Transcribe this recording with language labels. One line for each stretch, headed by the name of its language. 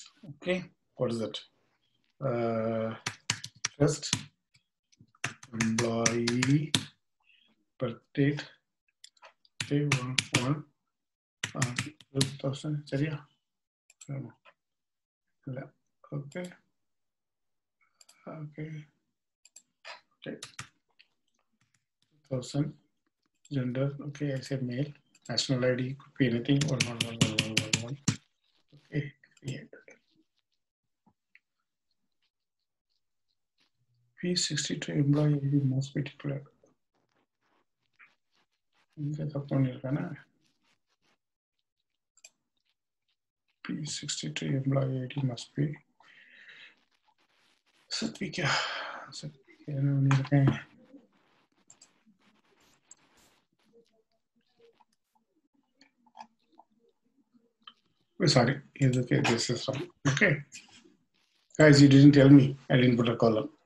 English: Okay, what is that, first employee birth date, okay, 1-1-2000, சரியா?
Tamil: இல்ல. Okay, okay, 2000 gender.
English: ஓகே, I said male, national ID could be anything. 1-1-1-1-1-1. Okay, create. P62 employee ID must be declared.
Tamil: இங்க தப்பு பண்ணிருக்கானே.
English: P62 employee ID must be set. PK set.
Tamil: PK என்ன பண்ணிருக்கேன், sorry, இது okay,
English: This is wrong. Okay guys, you didn't tell me, I didn't put a column.